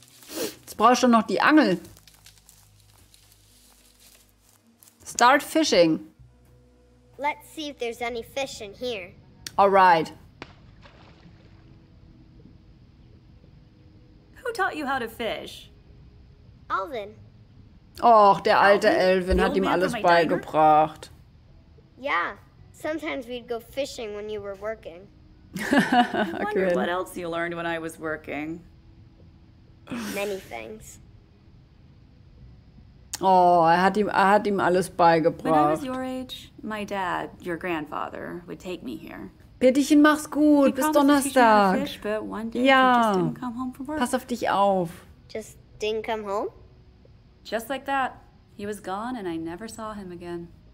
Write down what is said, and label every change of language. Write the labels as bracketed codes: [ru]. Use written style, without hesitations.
[de] Jetzt brauchst du noch die Angel. [en] Start fishing. Let's see if there's any fish in here. All right. Who taught you how to fish? Alvin. [de] Och, der alte Alvin hat ihm alles beigebracht. [en] Yeah, sometimes we'd go fishing when you were working. I wonder what else you learned when I was working. Many things. [de] Oh, er hat ihm alles beigebracht. [en] When I was your age, my dad, your grandfather, would take me here. [de] Peterchen, mach's gut. [en] He [de] bis Donnerstag. [en] Fish, but one day [de] ja. [en] He just didn't come home from work. [de] Pass auf dich auf. [en] Just didn't come home? Just like that. He was gone and I never saw him again.